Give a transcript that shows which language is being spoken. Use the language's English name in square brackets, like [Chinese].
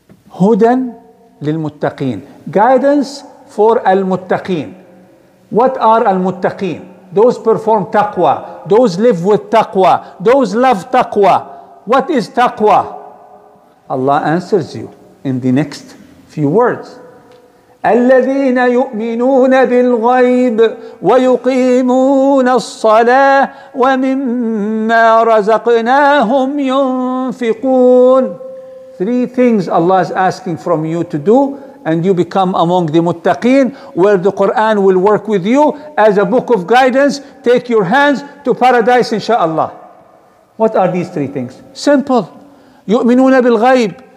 [Arabic] Hudan lil-muttaqeen, [English] guidance for al-muttaqeen. What are al-muttaqeen? Those perform taqwa, those live with taqwa, those love taqwa. What is taqwa? Allah answers you in the next few words. [Arabic] الذين يؤمنون بالغيب ويقيمون الصلاة ومما رزقناهم ينفقون. [English] Three things Allah is asking from you to do, and you become among the muttaqeen, where the Quran will work with you as a book of guidance, take your hands to paradise, inshallah. What are these three things? Simple. [Arabic] يُؤْمِنُونَ بِالْغَيْبِ.